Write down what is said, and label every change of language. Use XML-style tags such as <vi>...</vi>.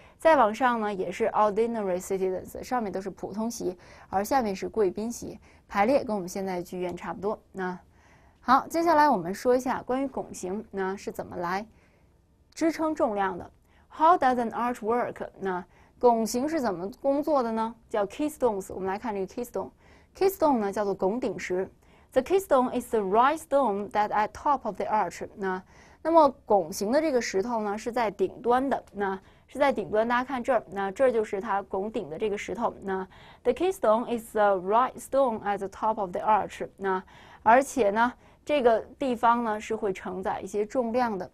<zh>再往上呢，也是</zh> <en>ordinary citizens，</en> <zh>上面都是普通席，而下面是贵宾席，排列跟我们现在剧院差不多。那好，接下来我们说一下关于拱形那是怎么来支撑重量的。</zh> <en>How does an arch work？</en> <zh>那拱形是怎么工作的呢？叫 keystones。我们来看这个 keystone。keystone 呢叫做拱顶石。</zh> <en>The keystone is the right stone that at top of the arch。</en> <zh>那么拱形的这个石头呢是在顶端的。那是在顶端，大家看这儿，那这就是它拱顶的这个石头。</zh> <en>那 the keystone is the right stone at the top of the arch。</en> <zh>那而且呢，这个地方呢是会承载一些重量的。</zh>